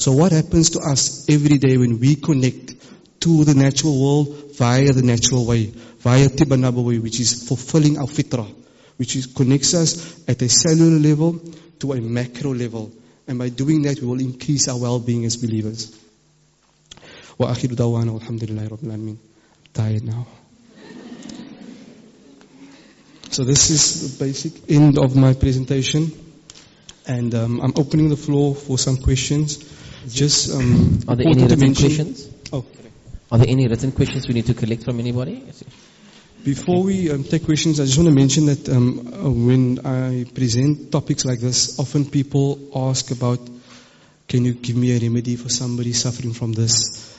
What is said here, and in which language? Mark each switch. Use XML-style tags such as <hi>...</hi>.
<en>So what happens to us every day when we connect to the natural world via the natural way, via Tibb-an-Nabawi, which is fulfilling our fitrah, which is connects us at a cellular level to a macro level. And by doing that, we will increase our well-being as believers.</en> <ar>وآخر دعوانا والحمد لله رب العالمين.</ar> <en>Tired now. So this is the basic end of my presentation, and I'm opening the floor for some questions. Just are there any written questions? Oh, are there any written questions we need to collect from anybody? Before we take questions, I just want to mention that when I present topics like this, often people ask about, can you give me a remedy for somebody suffering from this?</en>